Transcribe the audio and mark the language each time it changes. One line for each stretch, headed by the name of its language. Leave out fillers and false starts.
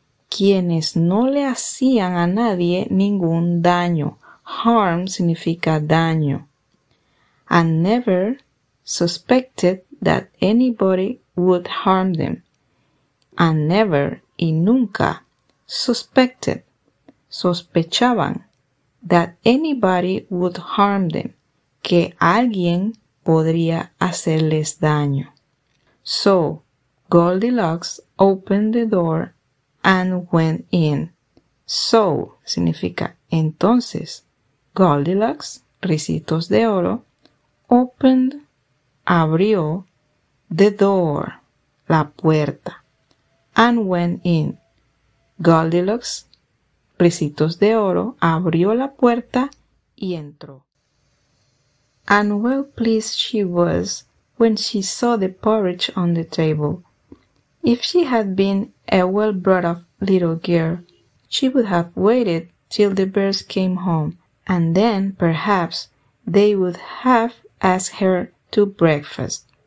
Spanish: Quienes no le hacían a nadie ningún daño. Harm significa daño.
English: I never suspected that anybody would harm them. I never,
Spanish: y nunca, suspected, sospechaban,
English: that anybody would harm them,
Spanish: que alguien podría hacerles daño.
English: So, Goldilocks opened the door and went in.
Spanish: So, significa entonces. Goldilocks, Ricitos de Oro, opened, abrió, the door, la puerta,
English: and went in.
Spanish: Goldilocks, Ricitos de Oro, abrió la puerta y entró.
English: And well pleased she was when she saw the porridge on the table. If she had been a well brought up little girl, she would have waited till the bears came home, and then perhaps they would have asked her to breakfast.